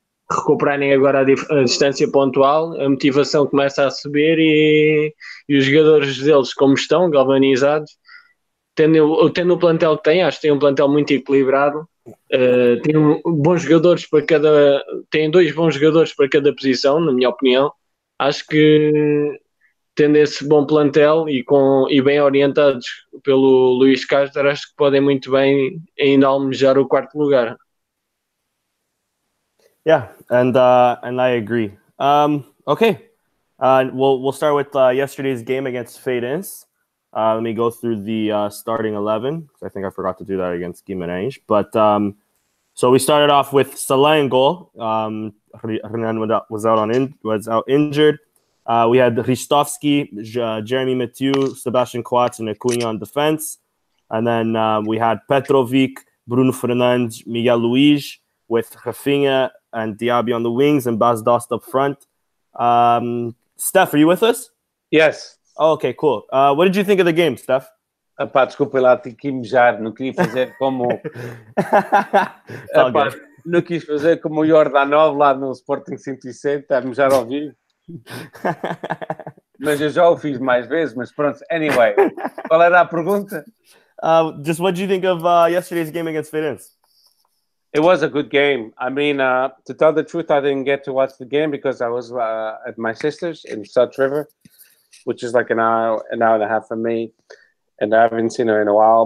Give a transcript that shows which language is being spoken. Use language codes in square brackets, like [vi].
[pt] Recuperarem agora a distância pontual, a motivação começa a subir e os jogadores deles, como estão, galvanizados, tendo o plantel que têm, acho que têm um plantel muito equilibrado, têm bons jogadores para cada. Têm dois bons jogadores para cada posição, na minha opinião. Acho que, tendo esse bom plantel e bem orientados pelo Luís Castro, acho que podem muito bem ainda almejar o quarto lugar. [en] Yeah, and I agree. Okay, we'll start with yesterday's game against Feirense. Let me go through the starting 11. I think I forgot to do that against Guimarães. But so we started off with Salah in goal. Renan was out injured. We had Hristovski, Jeremy Mathieu, Sebastian Coates, and Acuña on defense. And then we had Petrovic, Bruno Fernandes, Miguel Luiz, with Rafinha and Diaby on the wings and Bas Dost up front. Steph, are you with us? Yes. Oh, okay, cool. What did you think of the game, Steph? [pt] Epá, desculpa lá, tive que mijar. Não queria fazer como... Epá, não quis fazer como o Jordanov lá no Sporting 160, a mijar ao vivo. Mas eu já o fiz mais vezes, mas pronto. Anyway, qual era a pergunta? [en] Just what did you think of yesterday's game against Feirense? It was a good game. I mean, to tell the truth, I didn't get to watch the game because I was at my sister's in South River, which is like an hour and a half from me, and I haven't seen her in a while.